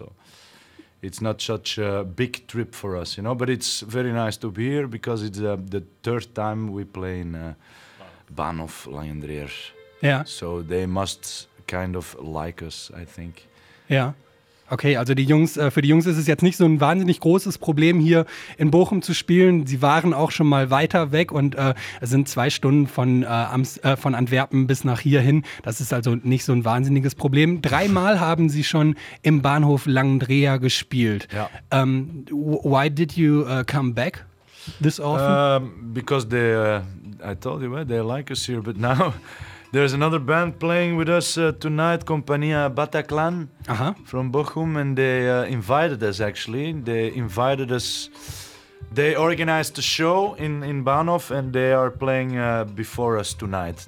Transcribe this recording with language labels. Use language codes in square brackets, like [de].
[en] So it's not such a big trip for us, you know. But it's very nice to be here because it's the third time we play in Bahnhof Langendreher. Yeah. So they must kind of like us, I think. Yeah. [de] Okay, also für die Jungs ist es jetzt nicht so ein wahnsinnig großes Problem, hier in Bochum zu spielen. Sie waren auch schon mal weiter weg und sind 2 Stunden von Antwerpen bis nach hier hin. Das ist also nicht so ein wahnsinniges Problem. 3-mal haben sie schon im Bahnhof Langendreher gespielt. Ja. [en] Why did you come back this often? Because I told you, they like us here, but now... There's another band playing with us tonight, Compania Bataclan, from Bochum, and they invited us, actually. They invited us, they organized a show in Bahnhof, and they are playing before us tonight.